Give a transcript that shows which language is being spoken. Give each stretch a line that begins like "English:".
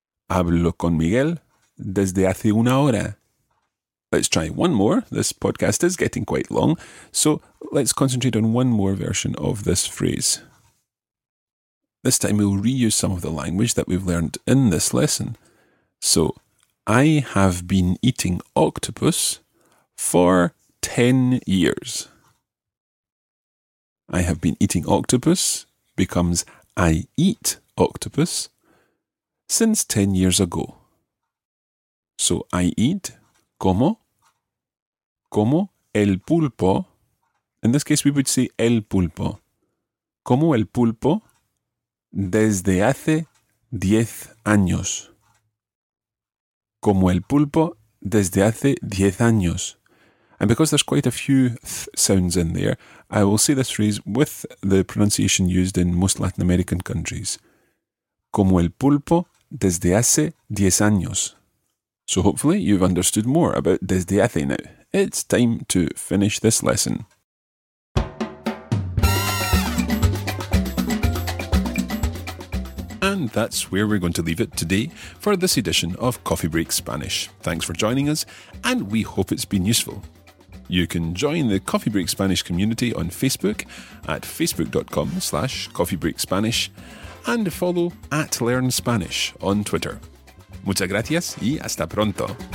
Spanish: Hablo con Miguel desde hace una hora.
English: Let's try one more. This podcast is getting quite long, so let's concentrate on one more version of this phrase. This time we'll reuse some of the language that we've learned in this lesson. So, I have been eating octopus for 10 years. I have been eating octopus becomes I eat octopus since 10 years ago. So, I eat
Spanish: como el pulpo.
English: In this case, we would say el pulpo.
Spanish: Como el pulpo. Desde hace 10 años. Como el pulpo, desde hace 10 años.
English: And because there's quite a few th sounds in there, I will say this phrase with the pronunciation used in most Latin American countries.
Spanish: Como el pulpo, desde hace 10 años.
English: So hopefully you've understood more about desde hace now. It's time to finish this lesson. And that's where we're going to leave it today for this edition of Coffee Break Spanish. Thanks for joining us, and we hope it's been useful. You can join the Coffee Break Spanish community on Facebook at facebook.com/coffeebreakspanish and follow at Learn Spanish on Twitter.
Spanish: Muchas gracias y hasta pronto.